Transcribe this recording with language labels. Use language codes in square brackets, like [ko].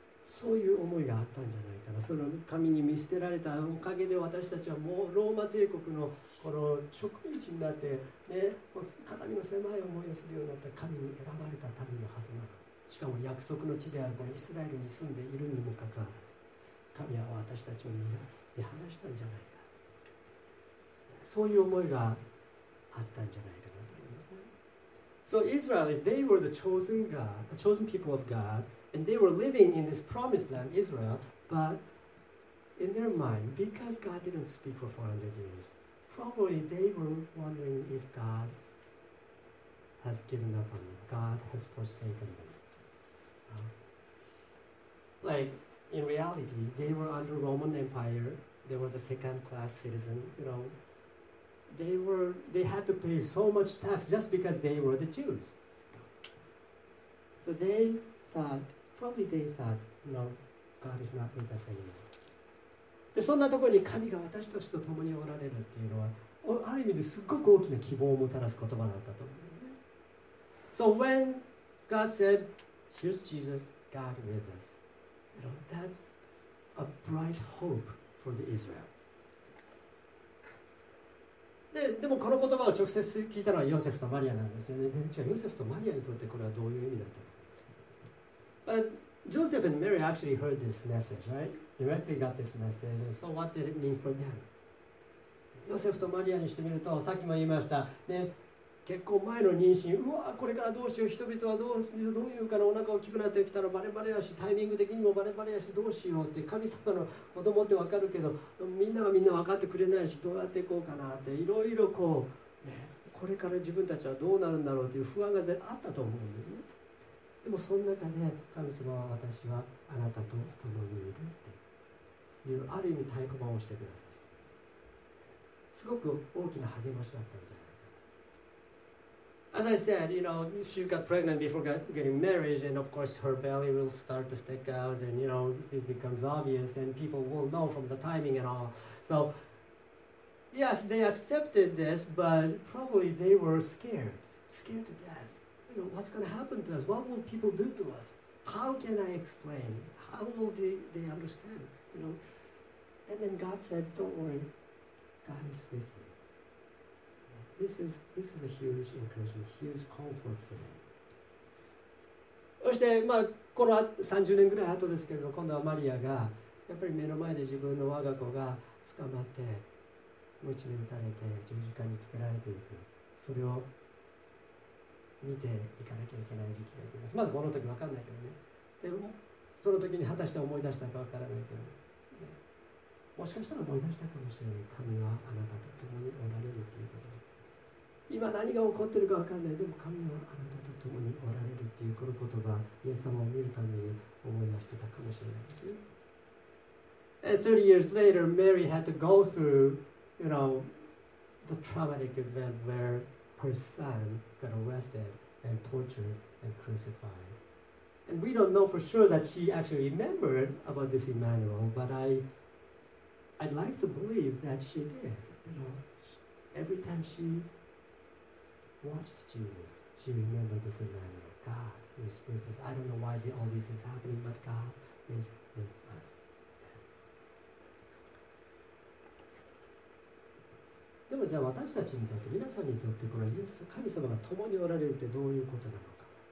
[ja] そういう思いがあったんじゃないかな。その神に見捨てられたおかげで私たちはもうローマ帝国のこの職員になって、ね、もう肩身の狭い思いをするようになった神に選ばれた民のはずなの。しかも約束の地であるこのイスラエルに住んでいるにもかかわらず、神は私たちを見放したんじゃないか。そういう思いがあったんじゃないかなと思いますね。 [en] So Israel is, they were the chosen God, chosen people of God. And they were living in this promised land, Israel, but in their mind, because God didn't speak for 400 years, probably they were wondering if God has given up on them, God has forsaken them. Like, in reality, they were under Roman Empire, they were the second-class citizen, you know. They had to pay so much tax just because they were the Jews. So they thought,Probably they thought, no, God is not with us anymore. [ja] で、そんなところに神が私たちと共におられるっていうのは、ある意味ですっごく大きな希望をもたらす言葉だったと思うんですね。 [en] So when God said, here's Jesus, God with us, you know, that's a bright hope for the Israel. [ja] でもこの言葉を直接聞いたのはヨセフとマリアなんですよね。で、じゃあヨセフとマリアにとってこれはどういう意味だったのか。 [en] But Joseph and Mary actually heard this message, right? Directly got this message. And so what did it mean for them? [ja] Joseph and Mary にしてみると、さっきも言いました、ね、結婚前の妊娠、うわこれからどうしよう、人々はどういうかな、お腹大きくなってきたらバレバレやし、タイミング的にもバレバレやし、どうしようって、神様の子供ってわかるけど、みんながみんなわかってくれないし、どうやっていこうかなって、いろいろこう、ね、これから自分たちはどうなるんだろうという不安があったと思うんですね。でもその中で神様は私はあなたと共にいるっていうある意味太鼓判をしてくださった。すごく大きな励ましだったんじゃないか。 [en] As I said, you know, she got pregnant before getting married, and of course her belly will start to stick out, and you know, it becomes obvious, and people will know from the timing and all. So, yes, they accepted this, but probably they were scared to death. You know, what's going to happen to us? What will people do to us? How can I explain? How will they understand? You know? And then God said, don't worry, God is with you. This is a huge encouragement, huge comfort for them. [ja] そして、まあ、この30年ぐらい後ですけれども、今度はマリアがやっぱり目の前で自分の我が子が捕まって、鞭で打たれて十字架につけられていく。それを見ていかなきゃいけない時期が来ます。まだこの時分かんないけどね。でもその時に果たして思い出したか分からないけど、ね、もしかしたら思い出したかもしれない。神はあなたと共におられるっていうこと。今何が起こってるか分かんない。でも神はあなたと共におられるっていうこの言葉、イエス様を見るために思い出してたかもしれないですね。 [en] And 30 years later, Mary had to go through, you know, the traumatic event where. Her son got arrested and tortured and crucified. And we don't know for sure that she actually remembered about this Emmanuel, but I'd like to believe that she did. You know, every time she watched Jesus, she remembered this Emmanuel. God is with us. I don't know why all this is happening, but God is with us. [ja] でもじゃあ私たちにとって皆さんにとってこれ神様が共におられるってどういうことなのか。